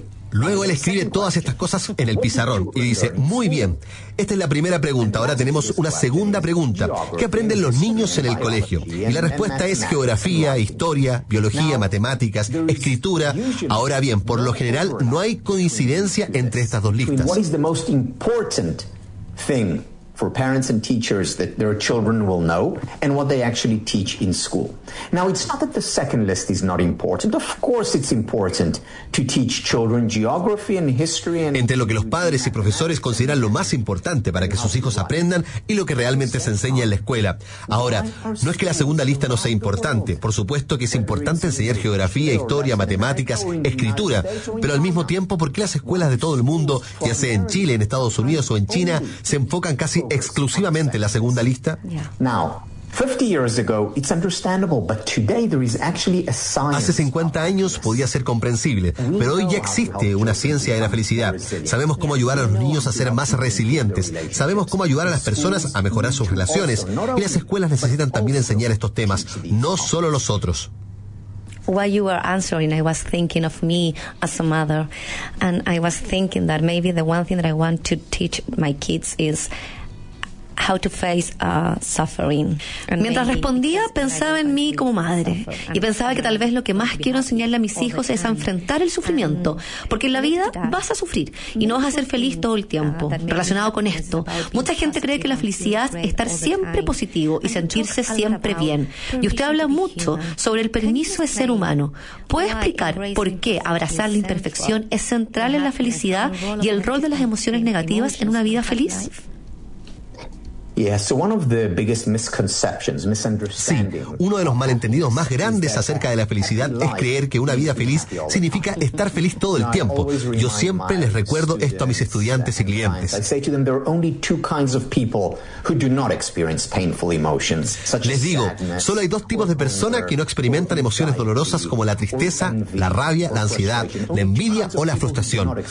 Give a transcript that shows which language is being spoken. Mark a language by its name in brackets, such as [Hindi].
[Spanish] Luego él escribe todas estas cosas en el pizarrón y dice, muy bien, esta es la primera pregunta, ahora tenemos una segunda pregunta. ¿Qué aprenden los niños en el colegio? Y la respuesta es geografía, historia, biología, matemáticas, escritura. Ahora bien, por lo general no hay coincidencia entre estas dos listas. [English] What is the most important thing for parents and teachers that their children will know and what they actually teach in school? Now, it's not that the second list is not important. Of course it's important to teach children geography and history. [Spanish] Entre lo que los padres y profesores consideran lo más importante para que sus hijos aprendan y lo que realmente se enseña en la escuela. Ahora, no es que la segunda lista no sea importante. Por supuesto que es importante enseñar geografía, historia, matemáticas, escritura. Pero al mismo tiempo, ¿por qué las escuelas de todo el mundo, ya sea en Chile, en Estados Unidos o en China, se enfocan casi exclusivamente la segunda lista? [English] Now, 50 years ago, it's understandable, but today there is actually a science. [Spanish] Hace 50 años podía ser comprensible, pero hoy ya existe una ciencia de la felicidad. Sabemos cómo ayudar a los niños a ser más resilientes. Sabemos cómo ayudar a las personas a mejorar sus relaciones. Y las escuelas necesitan también enseñar estos temas, no solo los otros. [English] While you were answering, I was thinking of me as a mother, and I was thinking that maybe the one thing that I want to teach my kids is how to face suffering. [Spanish] Mientras respondía, pensaba en mí como madre y pensaba que tal vez lo que más quiero enseñarle a mis hijos es enfrentar el sufrimiento, porque en la vida vas a sufrir y no vas a ser feliz todo el tiempo. Relacionado con esto, mucha gente cree que la felicidad es estar siempre positivo y sentirse siempre bien. Y usted habla mucho sobre el permiso de ser humano. ¿Puede explicar por qué abrazar la imperfección es central en la felicidad y el rol de las emociones negativas en una vida feliz? [English] Yeah, so one of the biggest misconceptions, misunderstanding. [Spanish] Sí, uno de los malentendidos más grandes acerca de la felicidad es creer que una vida feliz significa estar feliz todo el tiempo. Yo siempre les recuerdo esto a mis estudiantes y clientes. Les digo, solo hay dos tipos de personas que no experimentan emociones dolorosas como la tristeza, la rabia, la ansiedad, la envidia o la frustración.